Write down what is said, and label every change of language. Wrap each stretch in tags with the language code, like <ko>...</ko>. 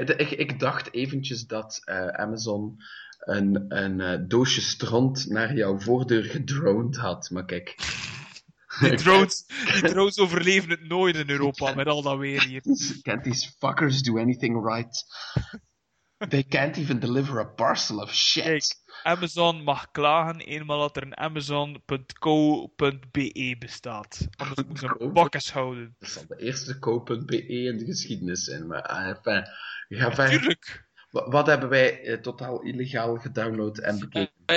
<nl>Ik dacht eventjes dat Amazon een doosje stront naar jouw voordeur gedroned had. Maar kijk. Die drones overleven het nooit in Europa met al dat weer hier.</nl> <en>Can't these fuckers do anything right? They can't even deliver a parcel of shit.</en> <nl>Kijk, Amazon mag klagen eenmaal dat er een Amazon.co.be bestaat. Anders moet ze een bakkes houden. Dat zal de eerste co.be in de geschiedenis zijn. Maar enfin, ja, natuurlijk. Wat hebben wij totaal illegaal gedownload en bekeken?</nl>